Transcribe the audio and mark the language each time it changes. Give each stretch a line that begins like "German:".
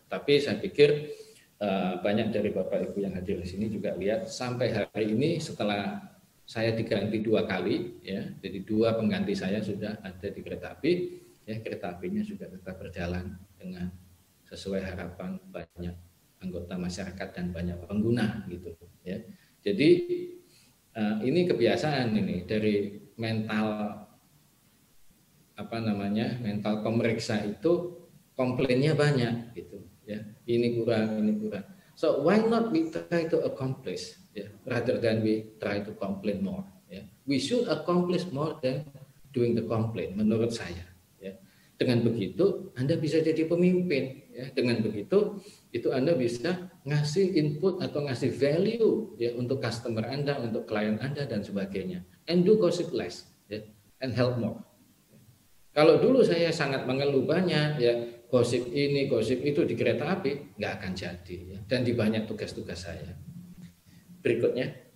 Indonesian: Tapi saya pikir banyak dari Bapak Ibu yang hadir di sini juga lihat sampai hari ini setelah saya diganti dua kali, ya, jadi dua pengganti saya sudah ada di kereta api, ya, kereta apinya juga tetap berjalan dengan sesuai harapan banyak anggota masyarakat dan banyak pengguna gitu, ya. Jadi ini kebiasaan ini dari mental apa namanya, mental pemeriksa itu komplainnya banyak gitu, ya. Ini kurang.
English: So why not we try to accomplish, ya, rather than we try to complain more, ya. We should accomplish more than doing the complaint
Indonesian: menurut saya,
English: ya.
Indonesian: Dengan begitu Anda bisa jadi pemimpin, ya. Dengan begitu itu Anda bisa ngasih input atau ngasih value, ya, untuk customer Anda, untuk klien Anda dan sebagainya.
English: And do gossip less, ya, and help more.
Indonesian: Kalau dulu saya sangat mengeluh banyak, ya, gosip ini, gosip itu di kereta api, nggak akan jadi, ya, dan di banyak tugas-tugas saya. Berikutnya.